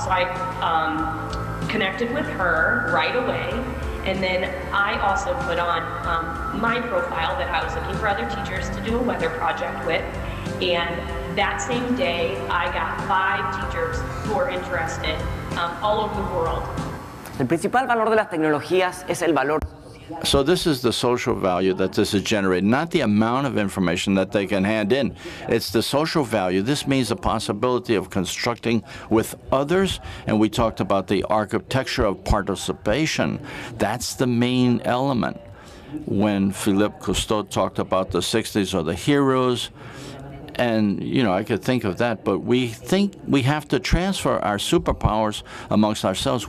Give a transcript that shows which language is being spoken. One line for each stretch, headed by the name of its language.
English: So I connected with her right away, and then I also put on my profile that I was looking for other teachers to do a weather project with, and that same day, I got 5 teachers who were interested all over the world.
Spanish: El principal valor de las tecnologías es el valor.
English: So this is the social value that this is generating, not the amount of information that they can hand in. It's the social value. This means the possibility of constructing with others. And we talked about the architecture of participation. That's the main element. When Philippe Cousteau talked about the 60s or the heroes, and you know, I could think of that, but we think we have to transfer our superpowers amongst ourselves.